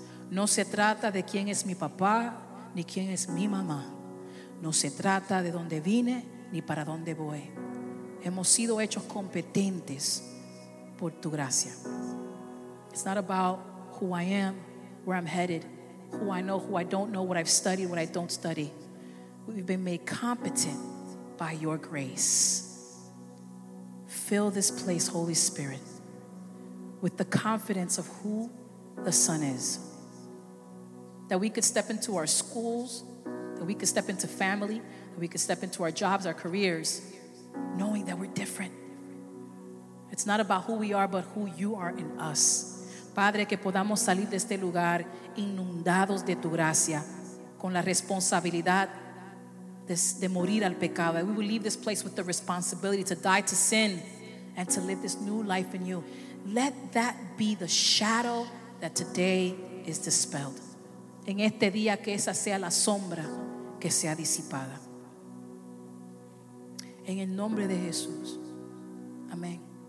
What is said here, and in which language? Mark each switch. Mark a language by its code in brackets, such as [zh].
[es] No se trata de quién es mi papá ni quién es mi mamá. No se trata de dónde vine ni para dónde voy. Hemos sido hechos competentes por tu gracia. [en] It's not about who I am, where I'm headed, who I know, who I don't know, what I've studied, what I don't study. We've been made competent by your grace. Fill this place, Holy Spirit, with the confidence of who the Son is. That we could step into our schools, that we could step into family, that we could step into our jobs, our careers, knowing that we're different. It's not about who we are, but who you are in us. [es] Padre, que podamos salir de este lugar inundados de tu gracia, con la responsabilidad de morir al pecado. [en] We will leave this place with the responsibility to die to sin and to live this new life in you. Let that be the shadow that today is dispelled. [es] En este día, que esa sea la sombra que sea disipada. En el nombre de Jesús. Amén.